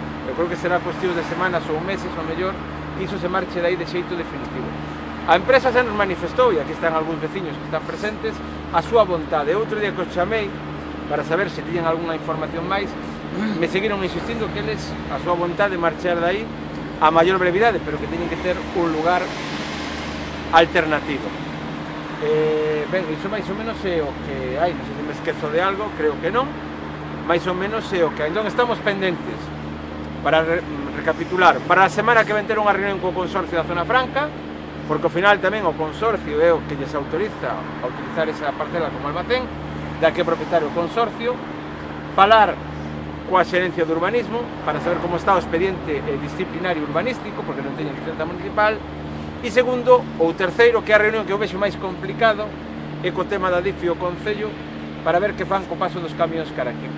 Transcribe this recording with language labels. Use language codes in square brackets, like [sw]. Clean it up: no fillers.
[gl] Eu creo que será cuestión de semanas ou meses, ou mellor, que iso se marche de aí de xeito definitivo. A empresa xa nos manifestou, e aquí están algúns veciños que están presentes, a súa vontade. Outro día que os chamei para saber se tiñan alguna información máis, me seguiron insistindo que eles, a súa vontade, marchar de aí, [es] a mayor brevedad, pero que tienen que tener un lugar alternativo. Eso más o menos [gl] é o que hai, non sei se me esquezo de algo, creo que non, máis ou menos é o que hai. Entón estamos pendentes, para recapitular, para a semana que ven ter unha reunión co consorcio da Zona Franca, porque ao final tamén o consorcio é o que lles autoriza a utilizar esa parcela como almacén, da que propietario o consorcio, falar coa xerencia de urbanismo, para saber como está o expediente disciplinario urbanístico, porque non teñen licenza municipal, e segundo, ou terceiro, que é a reunión que eu vexo máis complicado, é co tema da DIF e o Concello, para ver que fan co paso dos camións cara aquí.